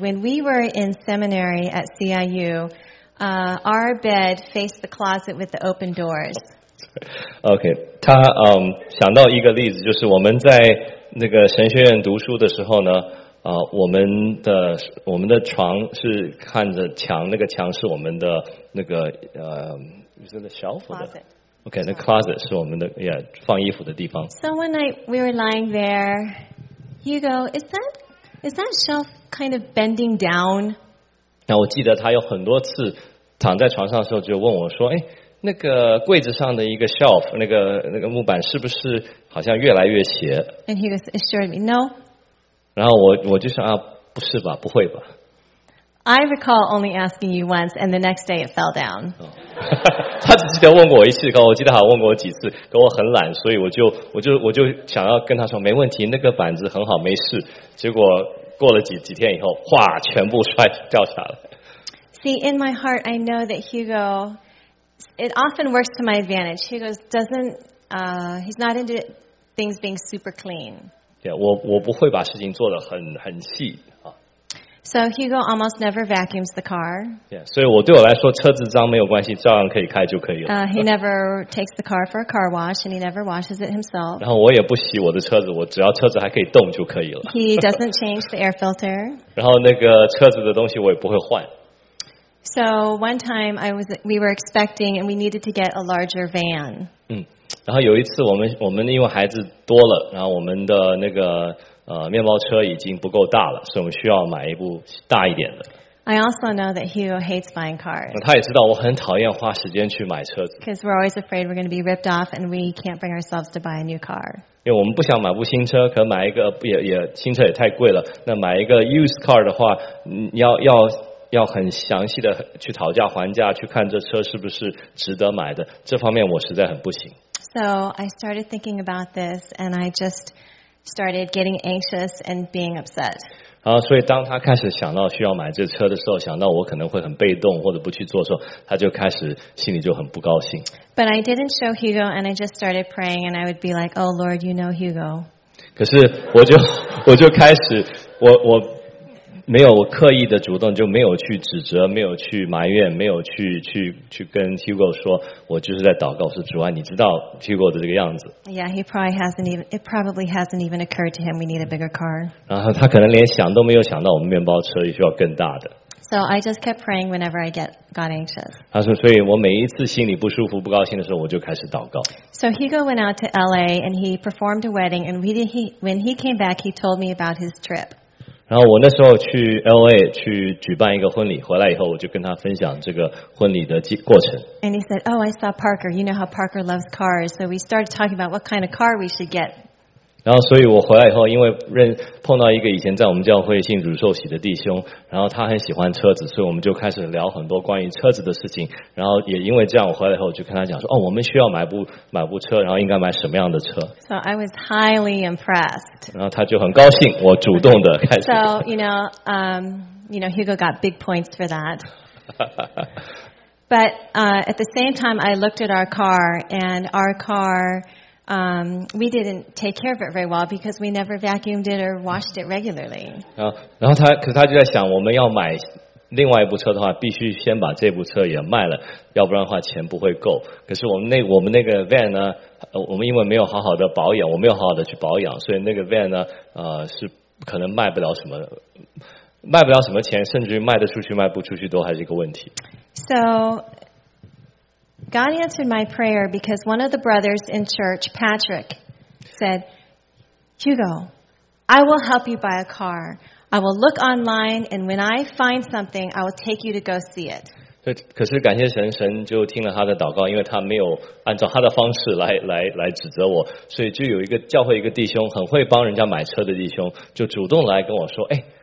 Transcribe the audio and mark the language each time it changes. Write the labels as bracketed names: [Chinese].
[English] When we were in seminary at CIU, our bed faced the closet with the open doors. [Chinese] Okay, 他想到一个例子，就是我们在那个神学院读书的时候呢，我们的床是看着墙，那个墙是我们的那个是那小伙的。 [English] Okay, the closet is our place. So one night we were lying there. Hugo, is that shelf kind of bending down? [Chinese] 那我记得他有很多次躺在床上的时候就问我说，哎，那个柜子上的一个 shelf, 那个木板是不是好像越来越斜？ [English] And Hugo assured me, no. [Chinese] 然后我就说啊，不是吧，不会吧。 [English] I recall only asking you once, and the next day it fell down. [Chinese] 他只记得问过我一次，我记得好问过我几次，可我很懒，所以我就想要跟他说没问题，那个板子很好，没事。结果过了几天以后，哗，全部摔掉下来。 [English] See, in my heart, I know that Hugo, it often works to my advantage. Hugo doesn't, he's not into things being super clean. [Chinese] Yeah, 我不会把事情做得很细。 [English] So Hugo almost never vacuums the car. [Chinese] Yeah, 所以我对我来说车子脏没有关系，照样可以开就可以了。 [English] He never takes the car for a car wash, and he never washes it himself. [Chinese] 然后我也不洗我的车子，我只要车子还可以动就可以了。 [English] He doesn't change the air filter. [Chinese] 然后那个车子的东西我也不会换。 [English] So one time we were expecting, and we needed to get a larger van. [Chinese] 然后有一次我们因为孩子多了，然后我们的那个面包车已经不够大了，所以我们需要买一部大一点的。 [English] I also know that Hugo hates buying cars. [Chinese] 他也知道我很讨厌花时间去买车子。 [English] Because we're always afraid we're going to be ripped off and we can't bring ourselves to buy a new car. [Chinese] 因为我们不想买部新车，可买一个也新车也太贵了。那买一个 [English] used car [Chinese] 的话，要很详细的去讨价还价，去看这车是不是值得买的。这方面我实在很不行。 [English] So I started thinking about this and I just started getting anxious and being upset. [Chinese] 所以当他开始想到需要买这车的时候，想到我可能会很被动或者不去做的时候，他就开始心里就很不高兴。 [English] But I didn't show Hugo, and I just started praying, and I would be like, "Oh Lord, you know Hugo." [Chinese] 可是我就开始我没有刻意的主动，就没有去指责，没有去埋怨，没有去跟 Hugo 说，我就是在祷告，是主啊，你知道 Hugo 的这个样子。 [English] Yeah, he probably hasn't even it probably hasn't even occurred to him we need a bigger car. [Chinese] 然后他可能连想都没有想到，我们面包车也需要更大的。 [English] So I just kept praying whenever I got anxious. [Chinese] 他说，所以我每一次心里不舒服、不高兴的时候，我就开始祷告。 [English] So Hugo went out to L.A. and he performed a wedding. And when he came back, he told me about his trip. [Chinese] 然后我那时候去 LA 去举办一个婚礼，回来以后我就跟他分享这个婚礼的过程。 [English] And he said, "Oh, I saw Parker. You know how Parker loves cars. So we started talking about what kind of car we should get." [Chinese] 然后，所以我回来以后，因为碰到一个以前在我们教会信主受洗的弟兄，然后他很喜欢车子，所以我们就开始聊很多关于车子的事情。然后也因为这样，我回来以后就跟他讲说，哦，我们需要买部车，然后应该买什么样的车。 [English] So I was highly impressed. [Chinese] 然后他就很高兴，我主动的开始。 [English] So you know, Hugo got big points for that. But at the same time, I looked at our car and our car. We didn't take care of it very well because we never vacuumed it or washed it regularly. [Chinese] 然后他就在想，我们要买另外一部车的话，必须先把这部车也卖了，要不然的话钱不会够。可是我们那个 van 呢，我们因为没有好好的保养，我没有好好的去保养，所以那个 van 呢，是可能卖不了什么钱，甚至于卖得出去卖不出去都还是一个问题。 [English] So. God answered my prayer because one of the brothers in church, Patrick, said, "Hugo, I will help you buy a car. I will look online, and when I find something, I will take you to go see it." [Chinese] 可是感谢神，神就听了他的祷告，因为他没有按照他的方式来指责我，所以就有一个教会一个弟兄很会帮人家买车的弟兄，就主动来跟我说，哎。